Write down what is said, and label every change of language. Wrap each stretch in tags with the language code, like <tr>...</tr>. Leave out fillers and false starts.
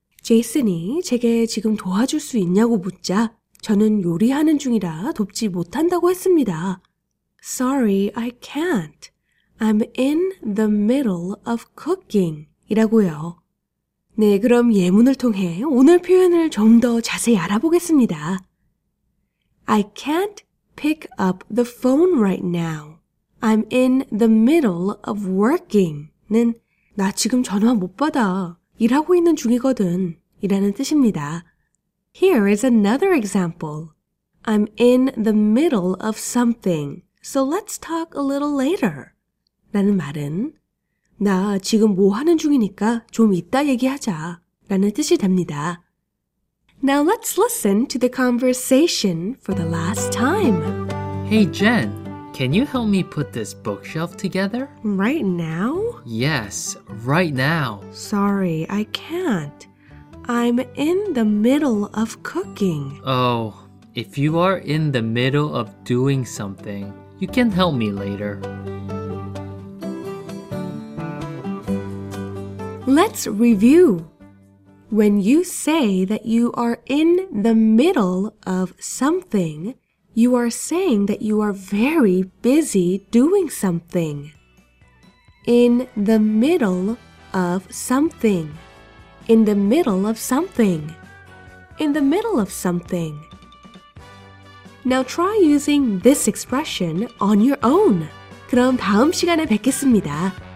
<ko>제이슨이 제게 지금 도와줄 수 있냐고 묻자 저는 요리하는 중이라 돕지 못한다고 했습니다.</ko> <en>Sorry, I can't. I'm in the middle of cooking.</en> <ko>이라고요. 네, 그럼 예문을 통해 오늘 표현을 좀 더 자세히 알아보겠습니다.</ko> <en>I can't pick up the phone right now. I'm in the middle of working.</en> <ko>는 나 지금 전화 못 받아. 일하고 있는 중이거든. 이라는 뜻입니다.</ko> <en>Here is another example. I'm in the middle of something. So let's talk a little later.</en> <ko>라는 말은 나 지금 뭐 하는 중이니까 좀 이따 얘기하자. 라는 뜻이 됩니다.</ko> <en>Now let's listen to the conversation for the last time. Hey, Jen, can you help me put this bookshelf together? Right now? Yes, right now. Sorry, I can't. I'm in the middle of cooking. Oh, if you are in the middle of doing something, you can help me later. Let's review. When you say that you are in the middle of something, you are saying that you are very busy doing something. In the middle of something. In the middle of something. In the middle of something. Now try using this expression on your own.</en> <ko>그럼 다음 시간에 뵙겠습니다.</ko>